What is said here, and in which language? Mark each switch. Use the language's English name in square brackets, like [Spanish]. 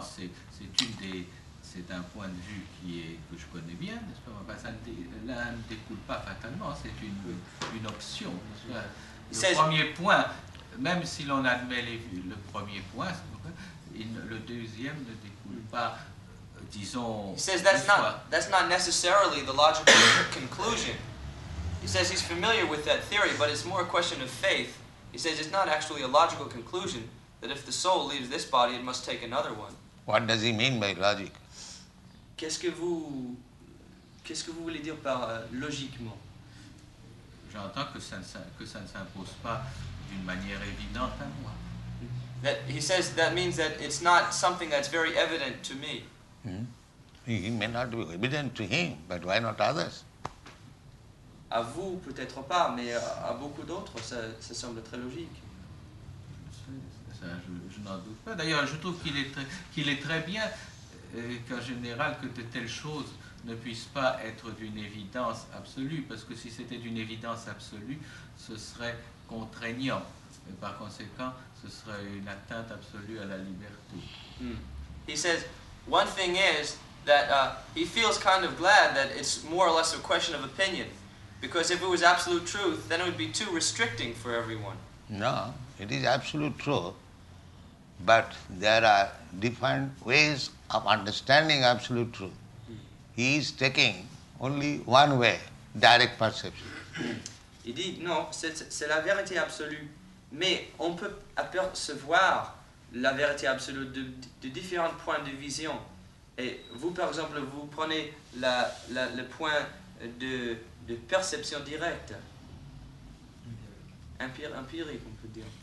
[French] C'est un point de vue que je connais bien, n'est-ce pas? Enfin, là, ne découle pas fatalement. C'est une option. Le premier point, même si l'on admet le premier point, le deuxième ne découle pas, disons. [English] He says that's not necessarily the logical conclusion. He says he's familiar with that theory, but it's more a question of faith. He says it's not actually a logical conclusion that if the soul leaves this body, it must take another one. What does he mean by logic? [French] Qu'est-ce que vous voulez dire par logiquement? J'entends que ça ne s'impose pas d'une manière évidente à moi. [English] That he says that means that it's not something that's very evident to me. Hmm. It may not be evident to him, but why not others? [French] À vous, peut-être pas, mais à beaucoup d'autres, ça semble très logique. Je n'en doute pas. D'ailleurs, je trouve qu'il est très bien qu'en général, que de telles choses ne puissent pas être d'une évidence absolue, parce que si c'était d'une évidence absolue, ce serait contraignant. Et par conséquent, ce serait une atteinte absolue à la liberté. [English] Mm. He says, one thing is that he feels kind of glad that it's more or less a question of opinion. Because if it was absolute truth, then it would be too restricting for everyone. No, it is absolute truth. But there are different ways of understanding absolute truth. He is taking only one way, direct perception. [French] Il dit non, c'est la vérité absolue, mais on peut apercevoir la vérité absolue de différents points de vision. Et vous, par exemple, vous prenez le point de perception directe, empirique, on peut dire.